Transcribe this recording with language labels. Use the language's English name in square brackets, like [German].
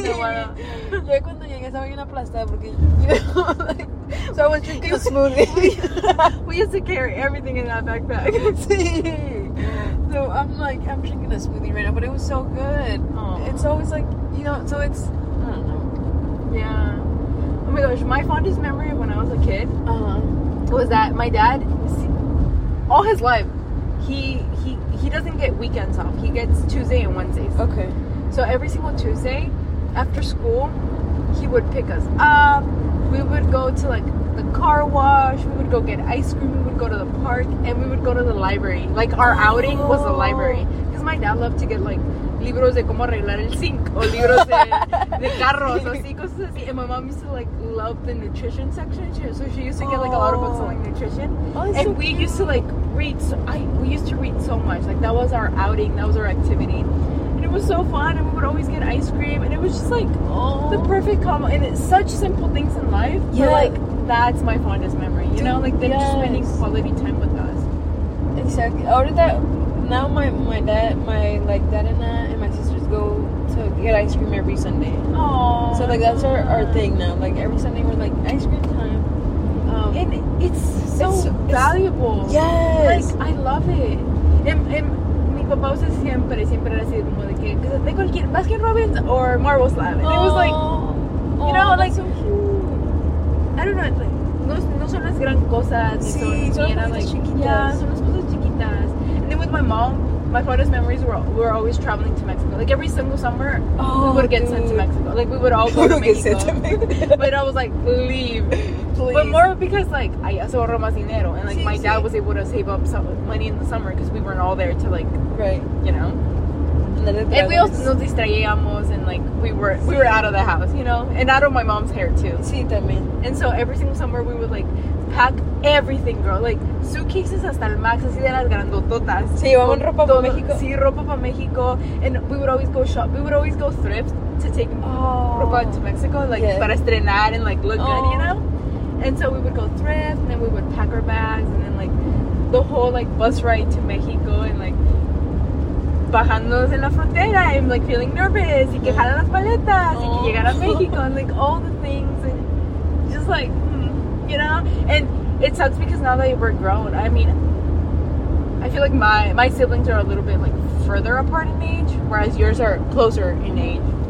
[Spanish] Yo cuando llegué estaba bien aplastada porque, [English] you know, like, so I was drinking smoothie. We used to carry everything in that backpack. [Spanish] Sí. [English] So I'm like, I'm drinking a smoothie right now, but it was so good. Aww. It's always like, you know, so it's, I don't know. Yeah. Oh my gosh, my fondest memory when I was a kid was that my dad, all his life, he doesn't get weekends off. He gets Tuesday and Wednesdays. Okay. So every single Tuesday after school, he would pick us up. We would go to like the car wash. We would go get ice cream. We would go to the park. And we would go to the library. Like our outing was the library. Because my dad loved to get like [Spanish] libros de cómo arreglar el zinc o libros de carros, así, cosas así. [English] And my mom used to like love the nutrition section too, so she used to get like a lot of books on like nutrition. Oh, and so cute. We used to like read, we used to read so much, like that was our outing, that was our activity, and it was so fun, and we would always get ice cream, and it was just like the perfect combo, and it's such simple things in life, yeah. But like that's my fondest memory, you know, like they're spending quality time with us. Exactly. How did that? Now my dad, my like dad and my sisters go to get ice cream every Sunday. Oh, so like that's our thing now. Like every Sunday we're like ice cream time. And it's valuable. Yes, like I love it. [Spanish] And mi papá usa siempre era así como de que de cualquier Baskin Robbins or Marble Slab. [English] And it was like, you know, that's like so cute. I don't know, like [Spanish] no son las gran cosas. Sí, son las cosas chiquitas. [English] With my mom, my fondest memories were always traveling to Mexico. Like every single summer, we would get sent to Mexico. Like we would all go to Mexico. But I was like, leave. Please. But more because like I [Spanish] ahorro más dinero, [English] and like my dad was able to save up some money in the summer because we weren't all there to like, right, you know. And we also [Spanish] nos distraíamos, [English] and like we were out of the house, you know, and out of my mom's hair too. [Spanish] Sí, también. [English] And so every single summer we would like pack everything, girl. Like suitcases [Spanish] hasta el max, así de las grandototas. Sí, llevamos ropa para México. Sí, ropa para México. [English] And we would always go shop. We would always go thrift to take ropa to Mexico, like [Spanish] para estrenar [English] and like look good, you know. And so we would go thrift, and then we would pack our bags, and then like the whole like bus ride to Mexico, and like [Spanish] bajándonos en la frontera, [English] I'm like feeling nervous, [Spanish] y que jalan las paletas, y que llegar a México, [English] and like all the things, and just like, you know, and it sucks because now that we're grown, I mean, I feel like my siblings are a little bit like further apart in age, whereas yours are closer in age.